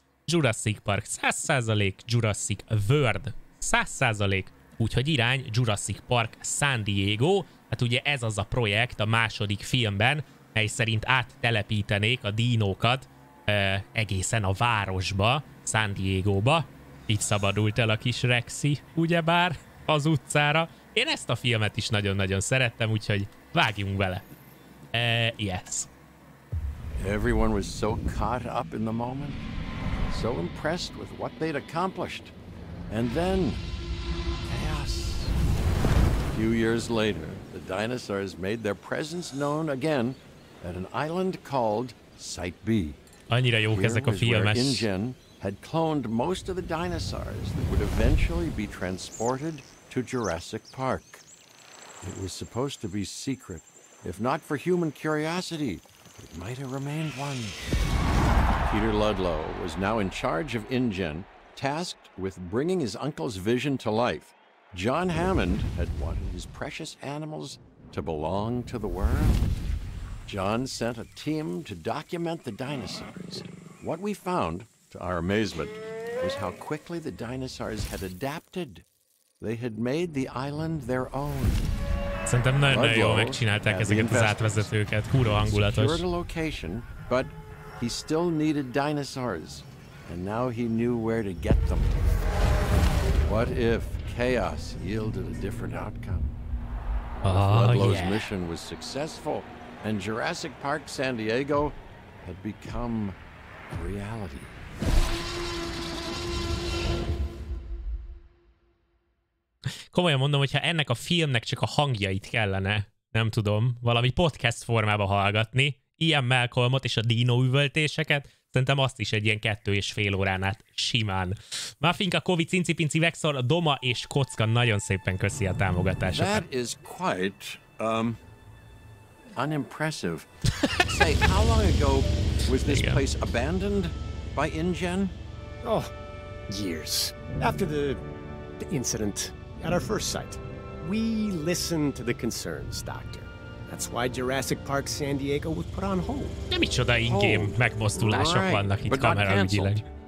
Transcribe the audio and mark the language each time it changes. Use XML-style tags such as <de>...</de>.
<hu>Jurassic Park 100%, Jurassic World 100%, úgyhogy irány Jurassic Park San Diego, hát ugye ez az a projekt a második filmben, mely szerint áttelepítenék a dínókat egészen a városba, San Diego-ba. Itt szabadult el a kis Rexi, ugyebár az utcára. Én ezt a filmet is nagyon-nagyon szerettem, úgyhogy vágjunk bele.</hu> <en>Yes. Everyone was so caught up in the moment, so impressed with what they'd accomplished. And then, chaos. A few years later, the dinosaurs made their presence known again at an island called Site B.</en> <hu>Annyira jók ezek a filmes.</hu> <en>Where InGen had cloned most of the dinosaurs that would eventually be transported to Jurassic Park. It was supposed to be secret. If not for human curiosity, it might have remained one. Peter Ludlow was now in charge of InGen, tasked with bringing his uncle's vision to life. John Hammond had wanted his precious animals to belong to the world. John sent a team to document the dinosaurs. What we found, to our amazement, was how quickly the dinosaurs had adapted. They had made the island their own.</en> <hu>Szerintem nagyon-nagyon jól megcsinálták ezeket az átvezetőket, kúró hangulatos.</hu> <en>But he still needed dinosaurs, and now he knew where to get them. What if chaos yielded a different outcome? Ludlow's mission was successful, and Jurassic Park San Diego had become reality.</en> <hu>Komolyan mondom, hogyha ennek a filmnek csak a hangjait kellene, nem tudom, valami podcast formába hallgatni, ilyen Malcolmot és a dino üvöltéseket, szerintem azt is egy ilyen 2,5 órán át simán. Máfinka, Kovi, Cinci, Pinci, Vexor, Doma és Kocka, nagyon szépen köszi a támogatásokat.</hu> <en>That is quite unimpressive. Say, how long ago was this place abandoned by InGen? Oh, years. After the incident at our first site. We listened to the concerns, Doctor. That's why Jurassic Park San Diego was put on hold.</en> <hu>Nem is csoda, in-game megmozdulások vannak itt kameraügyileg.</hu>